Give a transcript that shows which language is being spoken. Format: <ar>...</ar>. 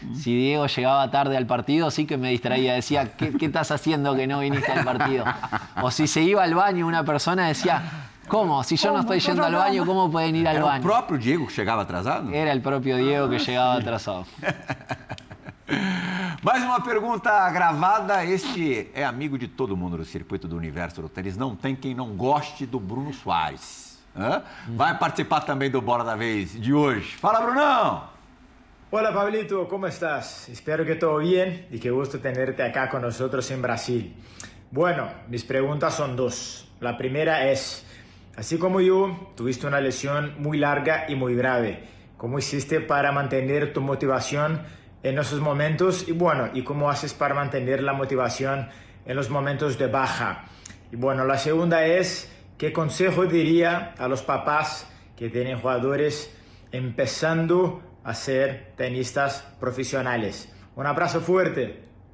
<es>Si Diego llegaba tarde al partido, sí que me distraía. Decía, ¿qué estás haciendo que no viniste al partido? O si se iba al baño una persona, decía, ¿cómo? Si yo no estoy yendo al baño, ¿cómo pueden ir al baño? ¿Era el propio Diego que llegaba atrasado? Era el propio Diego que llegaba atrasado.</es> <pt>Mais uma pergunta gravada. Este é amigo de todo mundo no circuito do universo do tênis. Não tem quem não goste do Bruno Soares. Hã? Vai participar também do Bola da Vez de hoje. Fala, Brunão! Olá, Pablito. Como estás? Espero que tudo bem e que gosto de</pt> <es>tenerte acá</es> <pt>com nós em Brasil.</pt> <es>Bueno,</es> <pt>minhas perguntas são duas. A primeira é: assim como eu,</pt> <es>tuviste</es> <pt>uma lesão muito larga e muito grave.</pt> <es>Como hiciste para</es> <pt>manter</pt> <es>tu</es> <pt>motivação</pt> <es>en esos momentos, y bueno, ¿y cómo haces para mantener la motivación en los momentos de baja? Y bueno, la segunda es, ¿qué consejo diría a los papás que tienen jugadores empezando a ser tenistas profesionales? Un abrazo fuerte.</es>